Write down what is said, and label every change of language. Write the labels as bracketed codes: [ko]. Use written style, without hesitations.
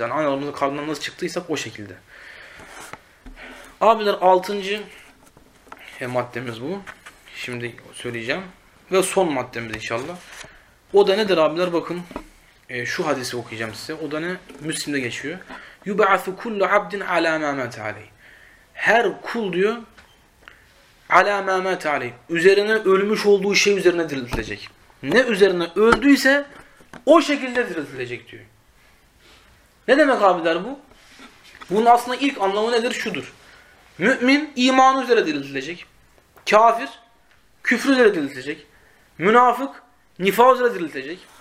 [tr] Yani analarımızın karnından nasıl çıktıysak o şekilde. Abiler altıncı maddemiz bu. Şimdi söyleyeceğim. Ve son maddemiz inşallah. O da nedir abiler? Bakın şu hadisi okuyacağım size. O da ne? Müslim'de geçiyor. [ar] يُبَعَثُ كُلُّ عَبْدٍ عَلَى مَا مَاتَ عَلَيْهِ. [tr] Her kul diyor [ar] عَلَى مَا مَاتَ عَلَيْهِ. [tr] Üzerine ölmüş olduğu şey üzerine diriltilecek. Ne üzerine öldüyse o şekilde diriltilecek diyor. Ne demek abiler bu? Bunun aslında ilk anlamı nedir? Şudur. Mümin imanı üzere diriltilecek. Kafir küfrü üzere diriltecek. Münafık, nifak üzere diriltecek.